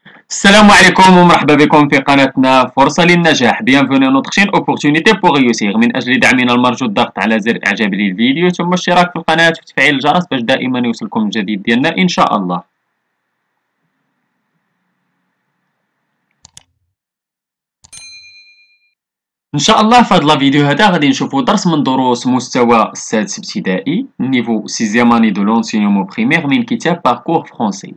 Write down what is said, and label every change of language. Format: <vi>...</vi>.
<ar>السلام عليكم ومرحبا بكم في قناتنا فرصة للنجاح.</ar> <fr>Bienvenue à notre chaîne Opportunité pour réussir.</fr> <ar>من أجل دعمنا المرجو الضغط على زر إعجاب للفيديو ثم الاشتراك في القناة وتفعيل الجرس باش دائما يوصلكم الجديد ديالنا إن شاء الله. إن شاء الله في هذا الفيديو هذا غادي نشوفوا درس من دروس مستوى السادس ابتدائي</ar> <fr>نيفو سيزياماني دو لونسينيومو بخيمير</fr> <ar>من كتاب باركور فرونسي.</ar>